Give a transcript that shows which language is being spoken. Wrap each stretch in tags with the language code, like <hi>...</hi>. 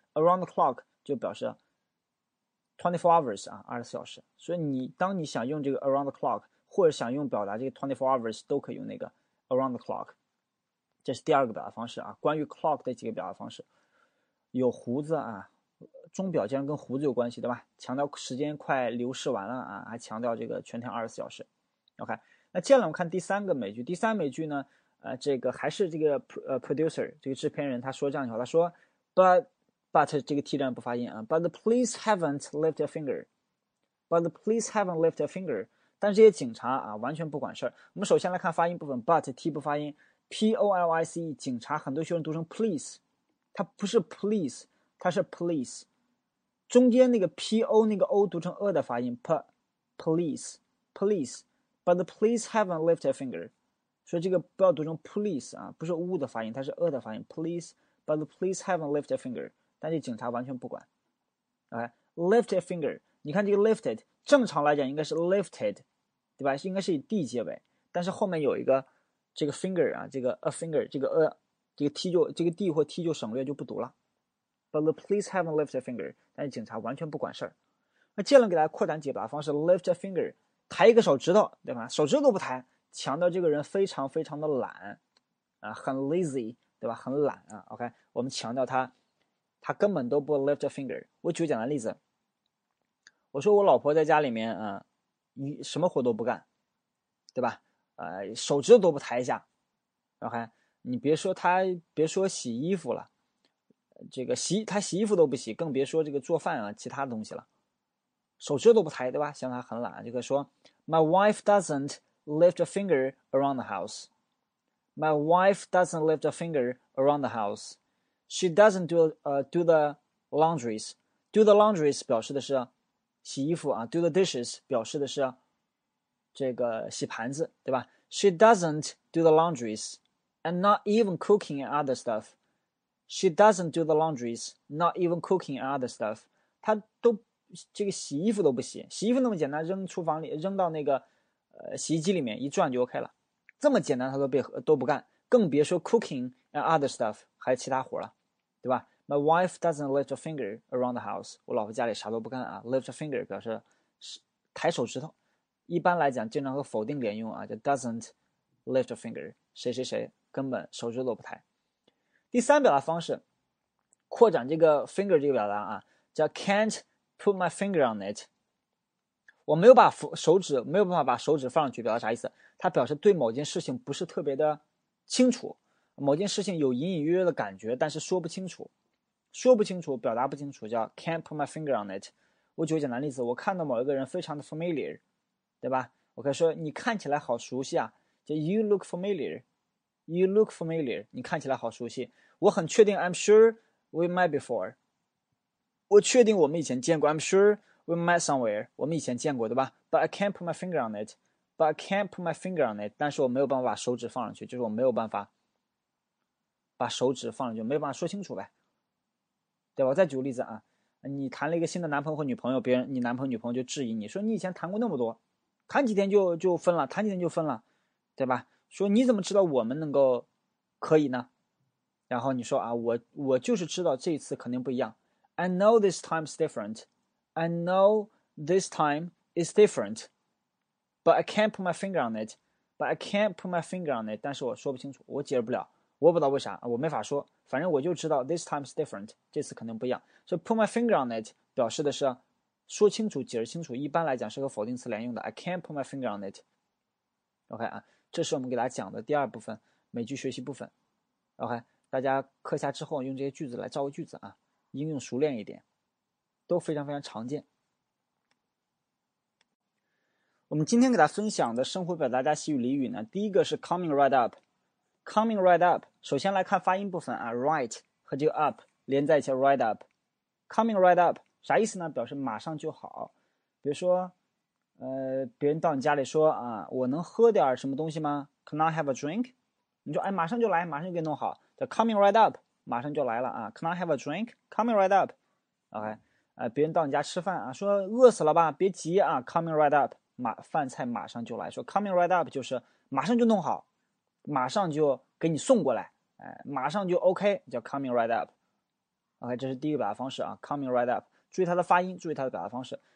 <en>Around the clock</en> <zh>就表示</zh> <en>24 hours</en> <zh>啊，24小时。所以你当你想用这个</zh> <en>around the clock，</en> <zh>或者想用表达这个</zh> <en>24 hours，</en> <zh>都可以用那个 around the clock。这是第二个表达方式啊。关于 clock 的几个表达方式，有胡子啊，钟表竟然跟胡子有关系，对吧？强调时间快流逝完了啊，还强调这个全天24小时。 OK，那接下来我们看第三个美剧。第三美剧呢，这个还是这个producer 这个制片人他说这样一句话，他说</zh> <en>But</en> <zh>这个 T 站不发音啊。</zh> <en>But the police haven't lift a finger. But the police haven't lift a finger.</en> <zh>但这些警察啊，完全不管事儿。我们首先来看发音部分，</zh> <en>But T</en> <zh>不发音，police 警察，很多学生读成 police，它不是 police，它是 police。中间那个 po 那个 o 读成 a 的发音，police，police。</zh> <en>But the police haven't lift a finger。</en> <zh>说这个不要读成 police 啊，不是 u 的发音，它是 a 的发音，police。</zh> <en>But the police haven't lift a finger。</en> <zh>但是警察完全不管，OK，</zh> <en>lift a finger，</en> <zh>你看这个 lifted，正常来讲应该是 lifted，对吧？应该是以 d 结尾，但是后面有一个这个 finger 啊，这个 a finger，这个 a，这个 t 就这个 d 或 t 就省略就不读了。</zh> <en>But the police haven't lifted a finger，</en> <zh>但是警察完全不管事儿。那接下来给大家扩展解答方式，</zh> <en>lift a finger，</en> <zh>抬一个手指头，对吧？手指都不抬，强调这个人非常非常的懒，啊，很 lazy，对吧？很懒啊，OK，我们强调他。他根本都不</zh> <en>lift a finger。</en> <zh>我举个简单例子，我说我老婆在家里面啊，一什么活都不干，对吧？手指都不抬一下。OK，你别说她，别说洗衣服了，这个洗她洗衣服都不洗，更别说这个做饭啊，其他东西了，手指都不抬，对吧？像她很懒，就可以说</zh> <en>My wife doesn't lift a finger around the house. My wife doesn't lift a finger around the house. She doesn't do the laundries. Do the laundries</en> <zh>表示的是洗衣服啊。</zh> <en>Do the dishes</en> <zh>表示的是这个洗盘子，对吧？</zh> <en>She doesn't do the laundries, and not even cooking and other stuff. She doesn't do the laundries, not even cooking and other stuff.</en> <zh>她都这个洗衣服都不洗，洗衣服那么简单，扔厨房里，扔到那个洗衣机里面一转就 OK 了。这么简单她都不干，更别说</zh> <en>cooking and other stuff。</en> <zh>还有其他活了，对吧？</zh> <en>My wife doesn't lift a finger around the house。</en> <zh>我老婆家里啥都不干啊。</zh> <en>Lift a finger</en> <zh>表示是抬手指头，一般来讲经常和否定连用啊，就</zh> <en>doesn't lift a finger，</en> <zh>谁谁谁根本手指都不抬。第三表达方式，扩展这个 finger 这个表达啊，叫</zh> <en>can't put my finger on it。</en> <zh>我没有把手指没有办法把手指放上去，表达啥意思？它表示对某件事情不是特别的清楚。某件事情有隐隐约约的感觉，但是说不清楚，说不清楚，表达不清楚，叫</zh> <en>can't put my finger on it。</en> <zh>我举个简单例子，我看到某一个人非常的 familiar，对吧？我可以说你看起来好熟悉啊，就</zh> <en>you look familiar，</en> <zh>you look familiar，你看起来好熟悉。我很确定，</zh> <en>I'm sure we met before。</en> <zh>我确定我们以前见过，</zh> <en>I'm sure we met somewhere，</en> <zh>我们以前见过，对吧？</zh> <en>But I can't put my finger on it，but I can't put my finger on it。</en> <zh>但是我没有办法把手指放上去，就是我没有办法。把手指放上去，没办法说清楚呗，对吧？我再举个例子啊，你谈了一个新的男朋友或女朋友，别人你男朋友女朋友就质疑你说你以前谈过那么多，谈几天就分了，谈几天就分了，对吧？说你怎么知道我们能够可以呢？然后你说啊，我就是知道这一次肯定不一样，</zh> <en>I know this time is different, I know this time is different, but I can't put my finger on it, but I can't put my finger on it。</en> <zh>但是我说不清楚，我解释不了。我不知道为啥，我没法说，反正我就知道</zh> <en>this time is different，</en> <zh>这次肯定不一样。所以</zh> <en>put my finger on it</en> <zh>表示的是说清楚、解释清楚。一般来讲是和否定词连用的。</zh> <en>I can't put my finger on it。</en> <zh>OK 啊，这是我们给大家讲的第二部分美剧学习部分。 OK，大家课下之后用这些句子来造个句子啊，应用熟练一点，都非常非常常见。我们今天给大家分享的生活表达加习语俚语呢，第一个是</zh> <en>coming right up。 Coming right up，</en> <zh>首先来看发音部分啊 ，right 和这个 up 连在一起 ，</zh> <en>right up。 coming right up</en> <zh>啥意思呢？表示马上就好。比如说，别人到你家里说啊，我能喝点什么东西吗？</zh> <en>Can I have a drink？</en> <zh>你说，哎，马上就来，马上就给你弄好。</zh> <en>The coming right up，</en> <zh>马上就来了啊。</zh> <en>Can I have a drink？ Coming right up， OK。</en> <zh>别人到你家吃饭啊，说饿死了吧，别急啊，</zh> <en>coming right up，</en> <zh>饭菜马上就来。说</zh> <en>coming right up</en> <zh>就是马上就弄好，马上就给你送过来，哎，马上就 OK，叫 coming right up，OK。这是第一个表达方式啊，</zh> <en>coming right up。</en> <zh>注意它的发音，注意它的表达方式。</zh>